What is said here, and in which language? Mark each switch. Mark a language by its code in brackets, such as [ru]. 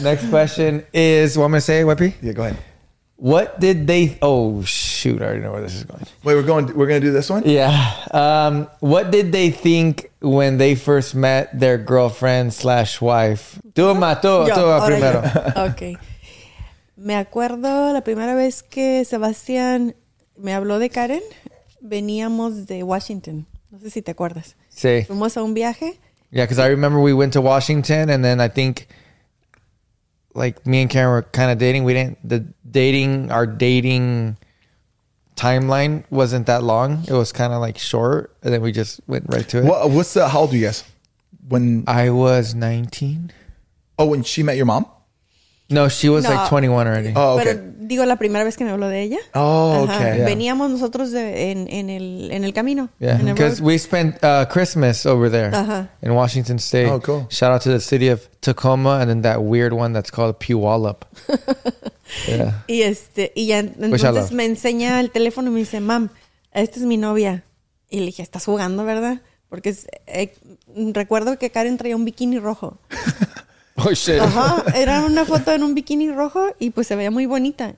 [en] Next question is, what am I going to say, Weppy? Yeah, go ahead. What did they? I already know where this is going. Wait, we're going to do this one? Yeah. What did they think when they first met their girlfriend/wife? [es] Tú mató, tú primero. [en] Okay. [es] Me acuerdo la primera vez que Sebastián me habló de Karen, veníamos de Washington. No sé si te acuerdas. Sí. Fuimos a un viaje. [en] Yeah, because I remember we went to Washington and then I think, like, me and Karen were kind of dating. We didn't, our dating timeline wasn't that long. It was kind of like short and then we just went right to it. How old are you guys? When I was 19. Oh, when she met your mom? No, she was like 21 already. Oh, okay. [es] Pero digo la primera vez que me habló de ella. [en] Oh, okay. Yeah. [es] Veníamos nosotros en el camino. [en] Yeah, because we spent Christmas over there in Washington State. Oh, cool. Shout out to the city of Tacoma and then that weird one that's called Puyallup. Yeah. [es] Y entonces me enseña el teléfono y me dice, mam, esta es mi novia. Y le dije, estás jugando, ¿verdad? Porque recuerdo que Karen traía un bikini rojo. [en] Oh, shit. [es] Era una foto en un bikini rojo y pues se veía muy bonita.